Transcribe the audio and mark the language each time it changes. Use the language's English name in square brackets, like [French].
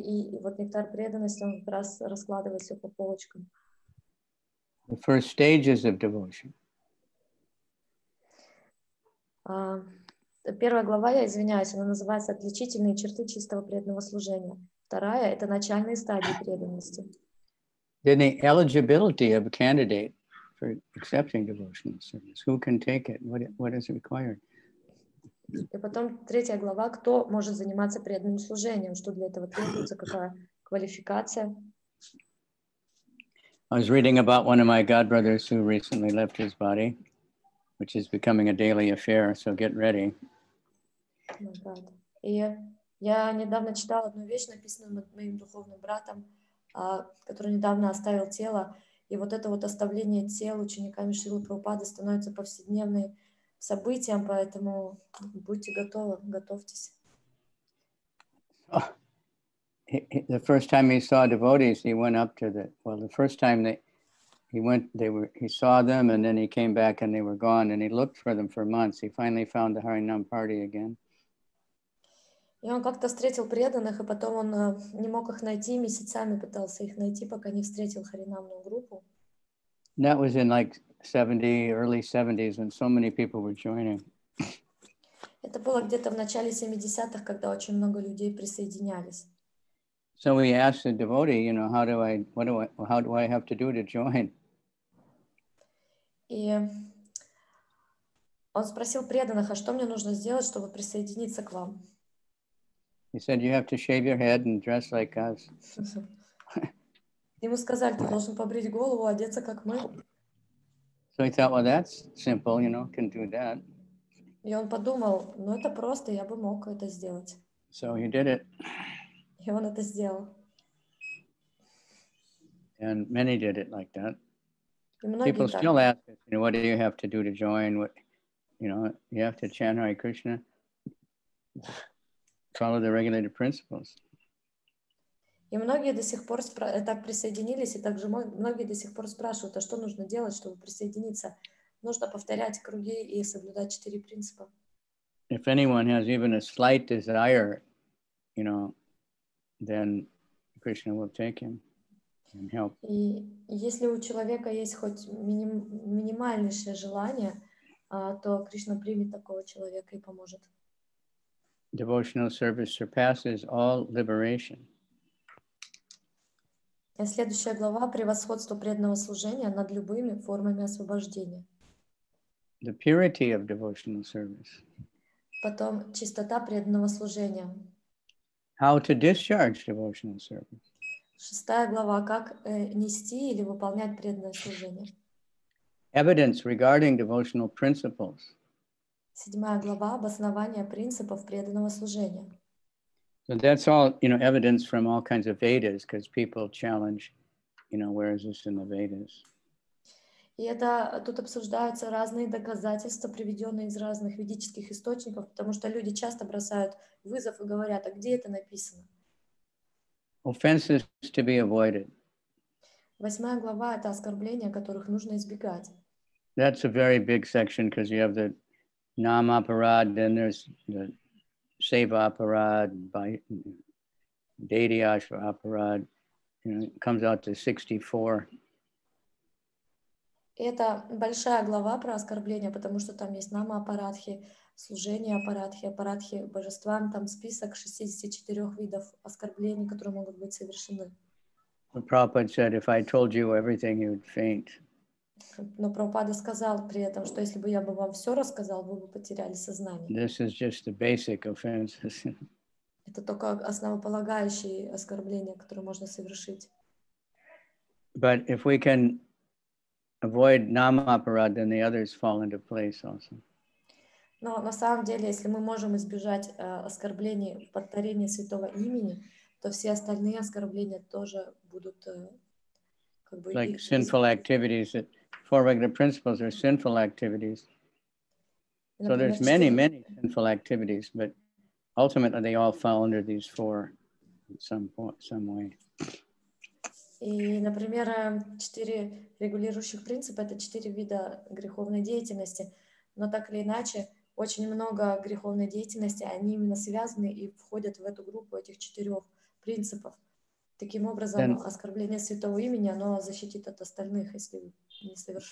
[Russian] И вот нектар преданности, он как раз раскладывает все по полочкам. [English] The first stages of devotion. [Russian] Первая глава, я извиняюсь, она называется «Отличительные черты чистого преданного служения». Вторая — это начальные стадии преданности. [English] Then the eligibility of a candidate for accepting devotional service. Who can take it? What is required? [Russian] И потом третья глава — кто может заниматься преданным служением? Что для этого требуется? Какая квалификация? [English] I was reading about one of my godbrothers who recently left his body, which is becoming a daily affair, so get ready. [Russian] И я недавно читала одну вещь, написанную моим духовным братом, который недавно оставил тело. И вот это вот оставление тела учениками Шрилы Прабхупады становится повседневным событием, поэтому будьте готовы, готовьтесь. Oh. [English] The first time he saw devotees, he went up to the... Well, the first time he saw them, and then he came back and they were gone, and he looked for them for months. He finally found the Harinam party again. [Russian] И он как-то встретил преданных, и потом он не мог их найти, месяцами пытался их найти, пока не встретил харинамную группу. [English] That was in like 70, early 70s, when so many people were joining. [Russian] Это было где-то в начале 70-х, когда очень много людей присоединялись. [English] So we asked the devotee, you know, how do I have to do to join? [Russian] И он спросил преданных, а что мне нужно сделать, чтобы присоединиться к вам? [English] He said, "You have to shave your head and dress like us." [Russian] Ему сказали, ты должен побрить голову, одеться как мы. [English] So he thought, "Well, that's simple, you know, can do that." [Russian] И он подумал, ну это просто, я бы мог это сделать. [English] So he did it. [Russian] И он это сделал. [English] And many did it like that. [Russian] И многие [English] People [Russian] так. [English] People still ask, you know, what do you have to do to join? What, you know, you have to chant Hare Krishna. Follow the regulated principles. [Russian] И многие до сих пор так присоединились, и также многие до сих пор спрашивают, а что нужно делать, чтобы присоединиться? Нужно повторять круги и соблюдать четыре принципа. [English] If anyone has even a slight desire, you know, then Krishna will take him and help. [Russian] И если у человека есть хоть минимальнейшее желание, то Кришна примет такого человека и поможет. [English] Devotional service surpasses all liberation. [Russian] Следующая глава — превосходство преданного служения над любыми формами освобождения. [English] The purity of devotional service. [Russian] Потом чистота преданного служения. [English] How to discharge devotional service. [Russian] Шестая глава — как нести или выполнять преданное служение. [English] Evidence regarding devotional principles. [Russian] Седьмая глава — обоснование принципов преданного служения. [English] So that's all, you know, evidence from all kinds of Vedas, because people challenge, you know, where is this in the Vedas? [Russian] И это тут обсуждаются разные доказательства, приведенные из разных ведических источников, потому что люди часто бросают вызов и говорят, а где это написано? [English] Offenses to be avoided. [Russian] Восьмая глава — это оскорбления, которых нужно избегать. [English] That's a very big section, because you have the Nama Parad, then there's the Seva Parad, Deity Ashva Parad, and it comes out to 64. [Russian] Это большая глава про оскорбление, потому что там есть нама апарадхи, служение апарадхи, апарадхи божествам. Там список 64 видов оскорблений, которые могут быть совершены. [English] The Prabhupada said, if I told you everything, you'd faint. [Russian] Но Прабхупада сказал при этом, что если бы я бы вам все рассказал, вы бы потеряли сознание. [English] This is just the basic offenses. [Russian] Это только основополагающие оскорбления, которые можно совершить. [English] But if we can avoid nama aparad, then the others fall into place also. [Russian] Но на самом деле, если мы можем избежать оскорблений в повторении святого имени, то все остальные оскорбления тоже будут как бы. [English] Like sinful activities, that four regular principles are sinful activities. So there's many, many sinful activities, but ultimately they all fall under these four in some way. [Russian] И, например, четыре регулирующих принципа — это четыре вида греховной деятельности. Но так или иначе, очень много греховной деятельности, они именно связаны и входят в эту группу этих четырех принципов. Таким образом, [English] then, [Russian] оскорбление святого имени, оно защитит от остальных, если не совершать.